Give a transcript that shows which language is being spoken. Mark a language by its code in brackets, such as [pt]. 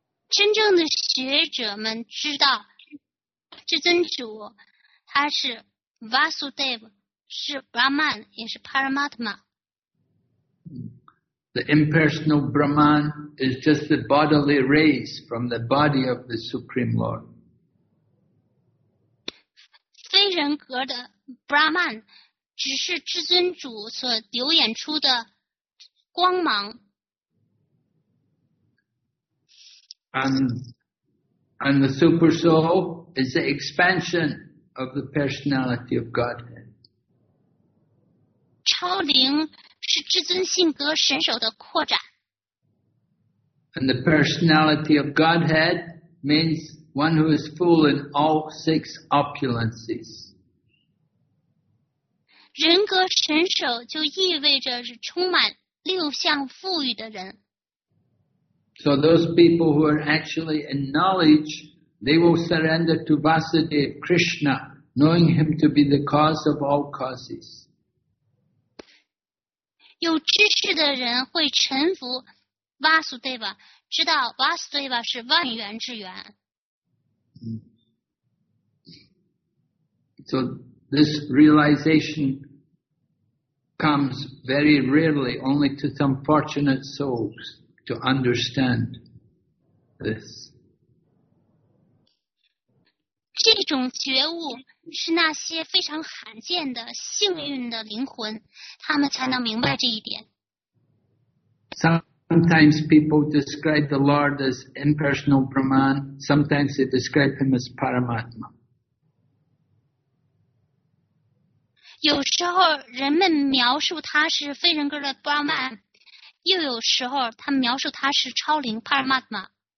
[zh] 真正的学者们知道，至尊主他是 Vasudev, 是 Brahman, 也是 Paramatma. [en] The impersonal Brahman is just the bodily rays from the body of the Supreme Lord. [zh] 非人格的 Brahman. 只是至尊主所流演出的光芒。 [en] And the super soul is the expansion of the personality of Godhead. [zh] 超灵是至尊性格神首的扩展。 [en] And the personality of Godhead means one who is full in all six opulences. [zh] 人格神首就意味着是充满六项富裕的人。 [en] So those people who are actually in knowledge, they will surrender to Vasudev Krishna, knowing him to be the cause of all causes. [zh] 有知识的人会臣服 Vasudev, 知道 Vasudev 是万源之源。 [en] So this realization. Comes very rarely, only to some fortunate souls to understand this. [zh] 这种觉悟是那些非常罕见的幸运的灵魂，他们才能明白这一点。 [en] Sometimes people describe the Lord as impersonal Brahman. Sometimes they describe him as Paramatma. [zh] 有时候人们描述他是非人格的 Brahman， 又有时候他们描述他是超灵 Paramatma。